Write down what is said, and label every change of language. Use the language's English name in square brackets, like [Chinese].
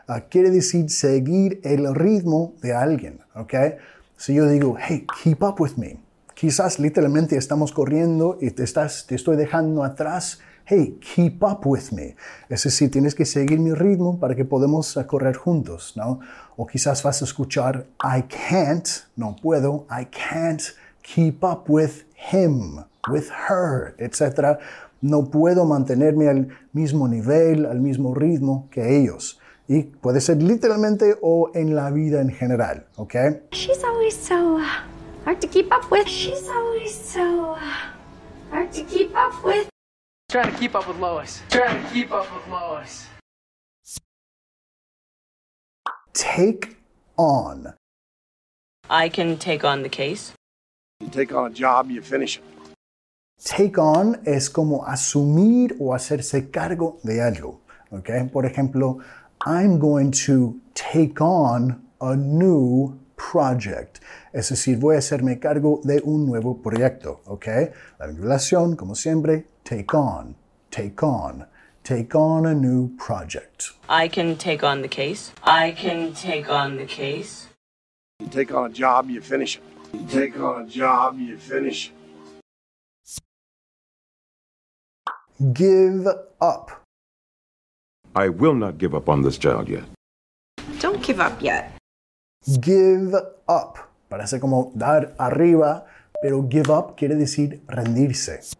[Spanish] Quiere decir seguir el ritmo de alguien, ¿ok? Si yo digo, [English] hey, keep up with me. [Spanish] Quizás literalmente estamos corriendo y te estoy dejando atrás. [English] Hey, keep up with me. [Spanish] Es decir, tienes que seguir mi ritmo para que podamos correr juntos, ¿no? O quizás vas a escuchar, [English] I can't, [Spanish] no puedo, I can't. [English] Keep up with him, with her, etc. [Spanish] No puedo mantenerme al mismo nivel, al mismo ritmo que ellos. Y puede ser literalmente o en la vida en general, ¿ok? [English] She's always so hard to keep up with. She's always so hard to keep up with. Trying to keep up with Lois. Trying to keep up with Lois. Take on. I can take on the case. You take on a job, you finish it. Take on [Spanish] es como asumir o hacerse cargo de algo. Okay? Por ejemplo, [English] I'm going to take on a new project. [Spanish] Es decir, voy a hacerme cargo de un nuevo proyecto. Okay? La relación, como siempre, [English] take on, take on. Take on a new project. I can take on the case. I can take on the case. You take on a job, you finish it. You take on a job, you finish it. Give up. I will not give up on this child yet. Don't give up yet. Give up. [Spanish] Parece como dar arriba, pero [English] give up [Spanish] quiere decir rendirse.